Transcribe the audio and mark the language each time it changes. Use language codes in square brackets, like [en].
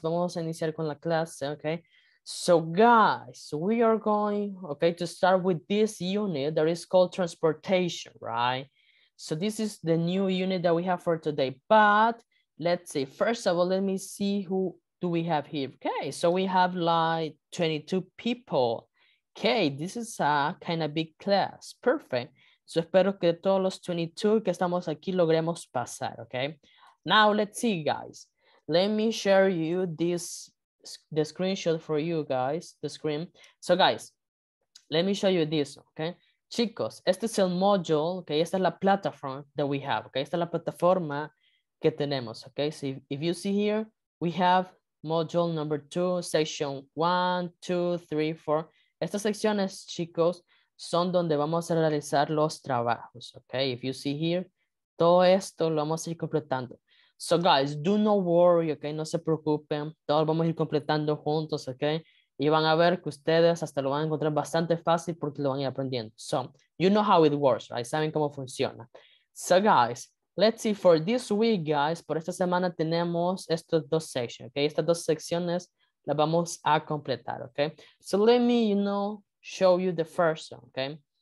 [es] Vamos a iniciar con la clase, [en] okay? So, guys, we are going, okay, to start with this unit that is called transportation, right? So this is the new unit that we have for today. But let's see. First of all, let me see who do we have here. Okay, so we have like 22 people. Okay, this is a kind of big class. Perfect. [es] So espero que todos los 22 que estamos aquí logremos pasar, okay? [en] Now, let's see, guys. Let me share you this, the screenshot for you guys, the screen. So, guys, let me show you this, okay? [es] Chicos, este es el module, okay? Esta es la plataforma [en] that we have, [es] okay? Esta es la plataforma que tenemos, [en] okay? So, if you see here, we have module number two, section 1, 2, 3, 4. [es] Estas secciones, chicos, son donde vamos a realizar los trabajos, okay? [en] If you see here, [es] todo esto lo vamos a ir completando. [en] So guys, do not worry, [es] okay? No se preocupen, todos vamos a ir completando juntos, okay? Y van a ver que ustedes hasta lo van a encontrar bastante fácil porque lo van a ir aprendiendo. [en] So, you know how it works, right? [es] Saben cómo funciona. [en] So guys, let's see for this week, guys, [es] por esta semana tenemos estos dos [en] sections, okay? [es] Estas dos secciones las vamos a completar, okay? [en] So let me, you know, show you the first one, okay?